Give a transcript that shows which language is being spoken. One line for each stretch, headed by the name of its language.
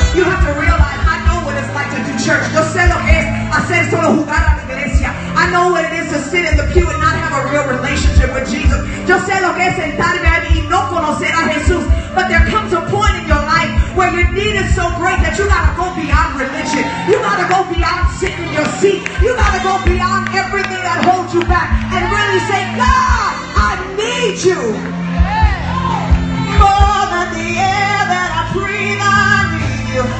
English: You have to realize, I know what it's like to do church.
Spanish: Yo sé lo que es hacer solo jugar a la iglesia.
English: I know what it is to sit in the pew and not have a real relationship with Jesus.
Spanish: Yo sé lo que es sentarme allí y no conocer a Jesús.
English: But there comes a point in your life where your need is so great that you gotta go beyond religion. You gotta go beyond sitting in your seat. You gotta go beyond everything that holds you back and really say, God, I need you. More than the air that I breathe, I need you.